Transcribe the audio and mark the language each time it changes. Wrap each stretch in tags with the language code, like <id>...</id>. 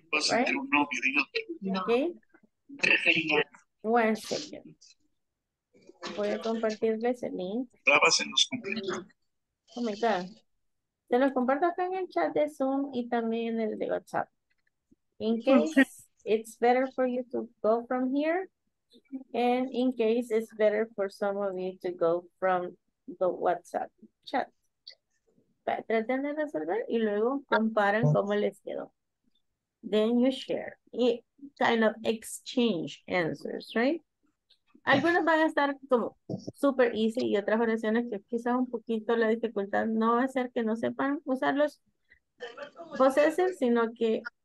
<en>Okay. One second.</en> <es>Voy a compartirles el link.</es> <en>Oh my God.</en> <es>Se los comparto acá en el chat de Zoom y también en el de WhatsApp.</es> <en>In case it's better for you to go from here. And in case it's better for some of you to go from the WhatsApp chat.</en> <es>Traten de resolver y luego comparan cómo les quedó.</es> <en>Then you share. Y kind of exchange answers, right?</en> <es>Algunas van a estar como</es> <en>super easy</en> <es>y otras oraciones que quizás un poquito la dificultad no va a ser que no sepan usar los possessive, sino que</es>